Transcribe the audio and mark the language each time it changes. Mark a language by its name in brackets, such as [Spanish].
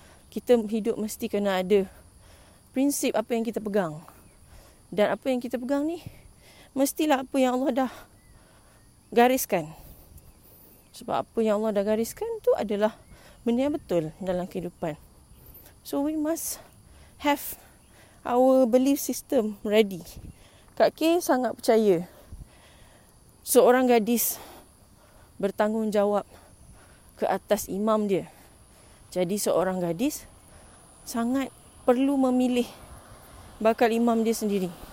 [Malay] Kita hidup mesti kena ada prinsip apa yang kita pegang. Dan apa yang kita pegang ni, mestilah apa yang Allah dah gariskan. Sebab apa yang Allah dah gariskan tu adalah benda yang betul dalam kehidupan. [English] So we must have our belief system ready. [Malay] Kak K sangat percaya seorang gadis bertanggungjawab ke atas imam dia. Jadi seorang gadis sangat perlu memilih bakal imam dia sendiri.